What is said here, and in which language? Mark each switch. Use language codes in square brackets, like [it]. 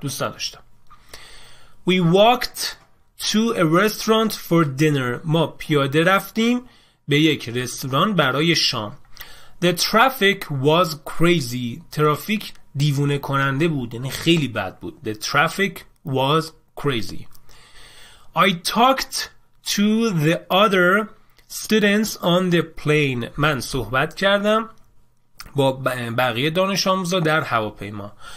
[fa] دوست نداشتم. [en] We walked to a restaurant for dinner. [fa] ما پیاده رفتیم به یک رستوران برای شام. [en] The traffic was crazy. [fa] ترافیک دیوونه کننده بود. یعنی خیلی بد بود. [en] The traffic was crazy. I talked to the other students on the plane. [fa] من صحبت کردم با بقیه دانش آموزا در هواپیما.